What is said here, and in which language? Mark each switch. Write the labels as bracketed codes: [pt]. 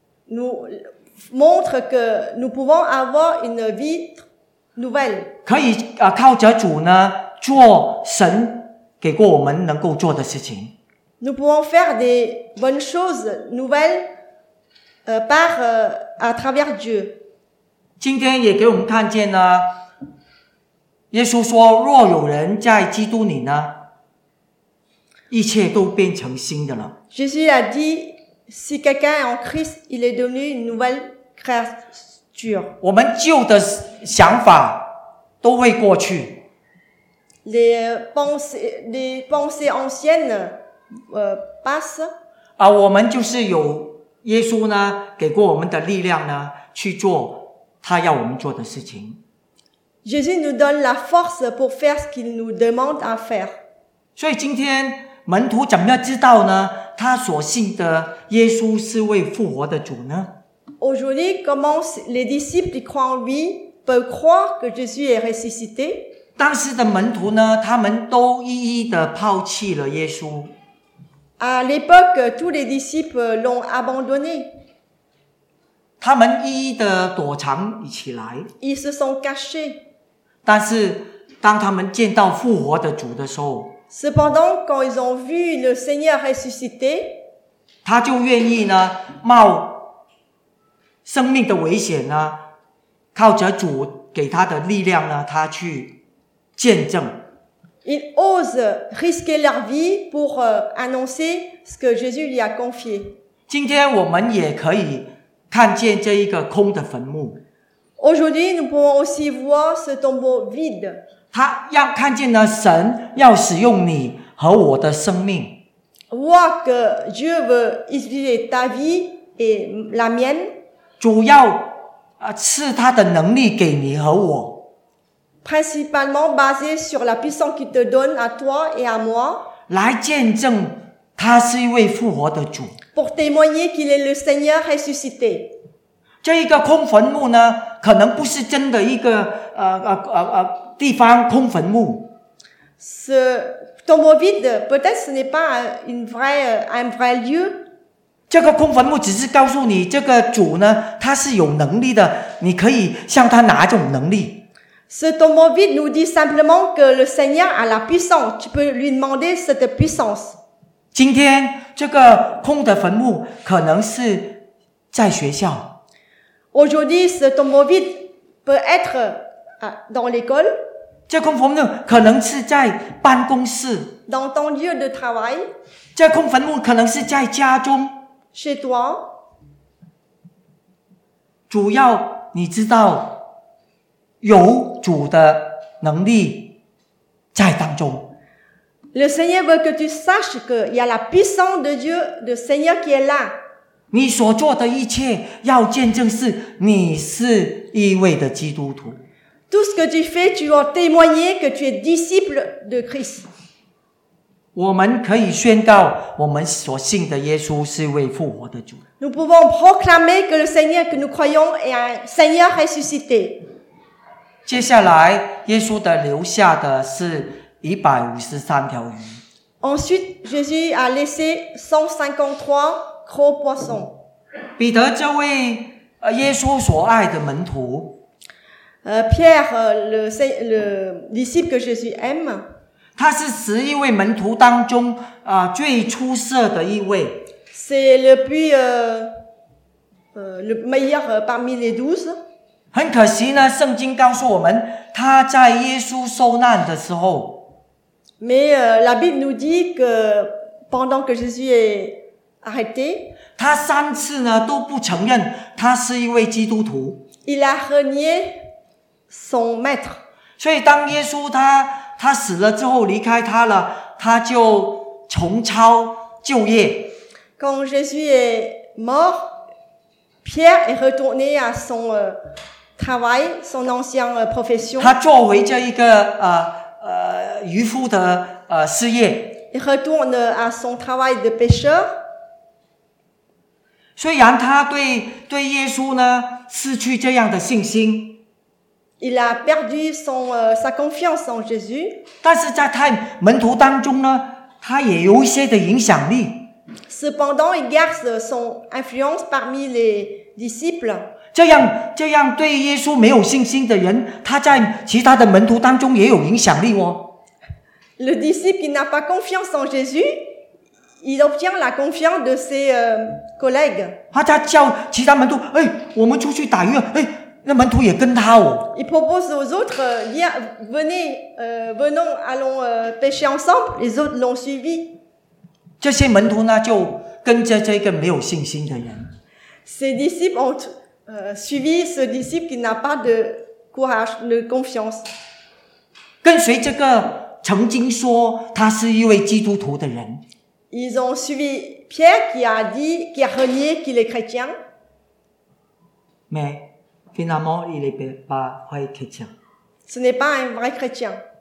[fr] Nous montre que nous pouvons avoir une vie nouvelle. [zh] 可以靠着主呢做神给过我们能够做的事情。 [fr] Nous pouvons faire des bonnes choses nouvelles. À travers Dieu. [zh] 今天也给我们看见呢，耶稣说：“若有人在基督里呢，一切都变成新的了。” [fr] Jésus a dit, si quelqu'un est en Christ, il est devenu une nouvelle créature. [zh] 我们旧的想法都会过去。 [fr] Les pensées anciennes, passent. [zh] 啊，我们就是有。耶稣呢，给过我们的力量呢，去做他要我们做的事情。 [fr] Jésus nous donne la force pour faire ce qu'il nous demande à faire. [zh] 所以今天门徒怎么知道呢？他所信的耶稣是位复活的主呢 [fr] ？Aujourd'hui, comment les disciples qui croient en lui peuvent croire que Jésus est ressuscité？ [zh] 当时的门徒呢，他们都一一的抛弃了耶稣。 [fr] À l'époque, tous les disciples l'ont abandonné. [zh] 他们一一的躲藏起来。 [fr] Ils se sont cachés. [zh] 但是当他们见到复活的主的时候， [fr] Cependant, quand ils ont vu le Seigneur ressuscité, [zh] 他就愿意呢冒生命的危险呢，靠着主给他的力量呢，他去见证。 [fr] Ils osent risquer leur vie pour annoncer ce que Jésus lui a confié. [zh] 今天我们也可以看见这一个空的坟墓。 [fr] Aujourd'hui, nous pouvons aussi voir ce tombeau vide. [zh] 他要看见了神要使用你和我的生命。 [fr] Voir que Dieu veut utiliser ta vie et la mienne. [zh] 主要赐他的能力给你和我。 [fr] Principalement basé sur la puissance qu'il te donne à toi et à moi. [zh] 来见证他是一位复活的主。 [fr] Pour témoigner qu'il est le Seigneur ressuscité. [zh] 这一个空坟墓呢，可能不是真的一个地方空坟墓。 [fr] Ce tombeau vide, peut-être ce n'est pas un vrai lieu. [zh] 这个空坟墓只是告诉你，这个主呢，他是有能力的，你可以向他拿这种能力。 [fr] Ce tombeau vide nous dit simplement que le Seigneur a la puissance. Tu peux lui demander cette puissance. [zh] 今天这个空的坟墓可能是在学校。 [fr] Aujourd'hui, ce tombeau vide peut être dans l'école. [zh] 这空坟墓可能是在办公室。 [fr] Dans ton lieu de travail. [zh] 这空坟墓可能是在家中。 [fr] Chez toi. [zh] 主要你知道。有主的能力在当中。 [fr] Le Seigneur veut que tu saches qu'il y a la puissance de Dieu, le Seigneur qui est là. [zh] 你所做的一切要见证是你是一位的基督徒。 [fr] Tout ce que tu fais, tu dois témoigner que tu es disciple de Christ. [zh] 我们可以宣告我们所信的耶稣是一位复活的主。 [fr] Nous pouvons proclamer que le Seigneur que nous croyons est un Seigneur ressuscité. [zh] 接下来耶稣的留下的是153条鱼。 [fr] Ensuite, Jésus a laissé 153 gros poissons. [zh] 彼得这位耶稣所爱的门徒。 [fr] Pierre, le disciple que Jésus aime. [zh] 他是十一位门徒当中最出色的一位。 [fr] C'est le meilleur parmi les douze. [zh] 很可惜呢，圣经告诉我们，他在耶稣受难的时候。 [fr] Mais la Bible nous dit que pendant que Jésus est arrêté, [zh] 他三次呢都不承认他是一位基督徒。 [fr] Il a renié son maître. [zh] 所以当耶稣他死了之后离开他了，他就重操旧业。 [fr] Quand Jésus est mort, Pierre est retourné à son travail, son ancien profession. [zh] 他做回这一个渔夫的事业。 [fr] Il retourne à son travail de pêcheur. [zh] 虽然他对耶稣呢失去这样的信心。 [fr] Il a perdu sa confiance en Jésus. [zh] 但是在他门徒当中呢，他也有一些的影响力。 [fr] Cependant, il garde son influence parmi les disciples. [zh] 这样对耶稣没有信心的人，他在其他的门徒当中也有影响力哦。 [fr] Le disciple qui n'a pas confiance en Jésus, il obtient la confiance de ses collègues. [zh] 他叫其他门徒，哎，我们出去打鱼，哎，那门徒也跟他哦。 [fr] Il propose aux autres, viens, venez, venons, allons pêcher ensemble. Les autres l'ont suivi. [zh] 这些门徒呢，就跟着这个没有信心的人。 [fr] Ses disciples ont suivi ce disciple qui n'a pas de courage, de confiance. [zh] 跟随这个曾经说他是一位基督徒的人。 [fr] Ils ont suivi Pierre qui a renié qu'il est chrétien. Mais finalement, il n'est pas vrai chrétien. Ce n'est pas un vrai chrétien.